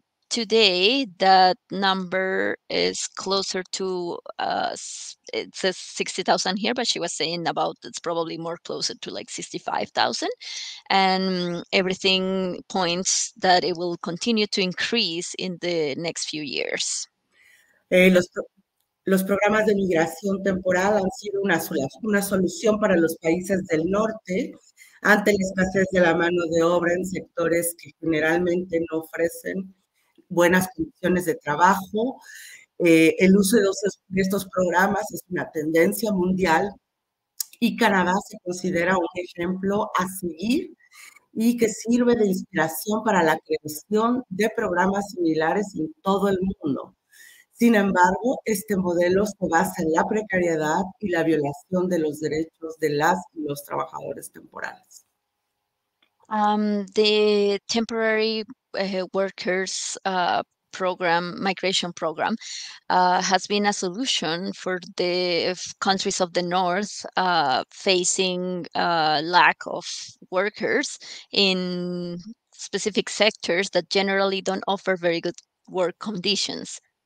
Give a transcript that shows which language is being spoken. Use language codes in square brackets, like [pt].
[en] Today, that number is closer to, it says 60,000 here, but she was saying about it's probably more closer to like 65,000. And everything points that it will continue to increase in the next few years. [es] Los programas de migración temporal han sido una solución para los países del norte ante la escasez de la mano de obra en sectores que generalmente no ofrecen buenas condiciones de trabajo. El uso de estos programas es una tendencia mundial y Canadá se considera un ejemplo a seguir y que sirve de inspiración para la creación de programas similares en todo el mundo. Sin embargo, este modelo se basa en la precariedad y la violación de los derechos de las y los trabajadores temporales. [en] The temporary workers program, migration program, has been a solution for the countries of the north facing lack of workers in specific sectors that generally don't offer very good work conditions.